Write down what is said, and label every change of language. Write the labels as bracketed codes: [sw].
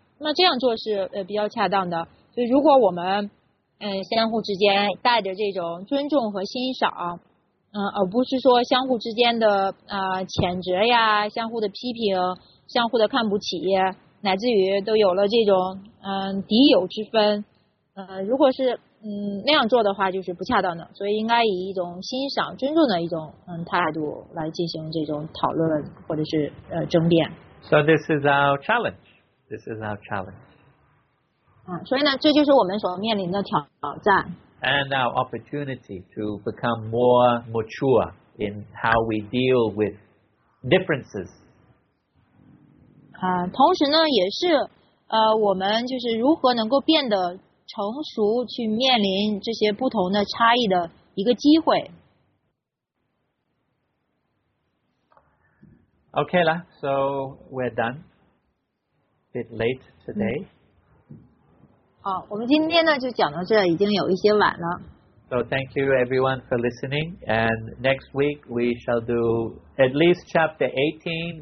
[zh] 那么这样做是比较恰当的。就如果我们相互之间带着这种尊重和欣赏，而不是说相互之间的谴责呀，相互的批评，相互的看不起，乃至于都有了这种敌友之分，如果是那样做的话，就是不恰当的。所以应该以一种欣赏尊重的一种态度来进行这种讨论或者是争辩。 [en] So this is our challenge. This is our challenge. [zh] 所以呢，这就是我们所面临的挑战。 [en] And our opportunity to become more mature in how we deal with differences. [zh] 同时呢，也是我们就是如何能够变得成熟，去面临这些不同的差异的一个机会。 [en] Okay, la. So we're done. A bit late today. [zh] 好，我们今天呢就讲到这，已经有一些晚了。 [en] So thank you everyone for listening. And next week we shall do at least chapter 18.